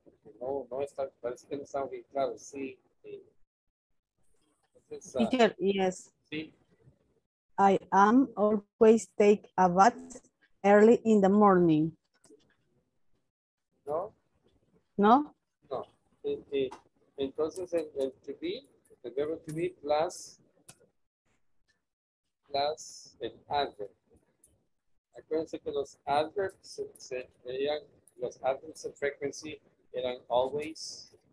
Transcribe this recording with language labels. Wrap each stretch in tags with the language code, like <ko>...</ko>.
<es>Porque no está, parece que no está bien claro. Sí.</es> <en>Teacher, yes.</en> <es>Sí.</es> <en>I am always take a bath early in the morning.</en> <es>No. No. Entonces el to be, el verbo to be plus el adverb. Acuérdense que los adverbs serían los adverbs of frequency eran always.</es>